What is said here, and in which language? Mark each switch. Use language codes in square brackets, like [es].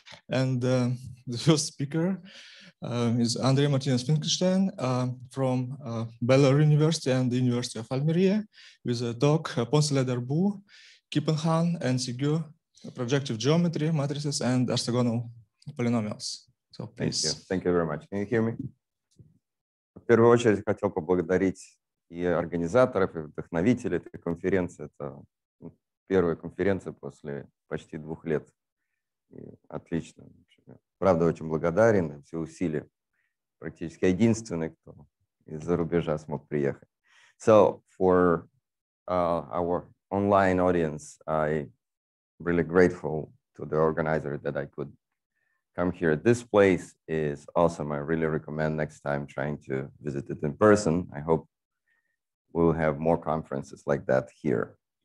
[en] And the first speaker is Andrei Martinez-Finkelshtein from Baylor University and the University of Almeria, with a talk, Poncelet Darboux, Kippenhahn, and Szegő, projective geometry, matrices, and orthogonal polynomials. So please. Thank you very much. Can you hear me? [ru] В первую очередь хотел поблагодарить и организаторов, и вдохновителей этой конференции. Это первая конференция после почти двух лет. И отлично. Правда, очень благодарен. Все усилия. Практически единственный, кто из-за рубежа смог приехать. [en] So, for our online audience, I'm really grateful to the organizer that I could come here. This place is awesome. I really recommend next time trying to visit it in person. I hope we'll have more conferences like that here.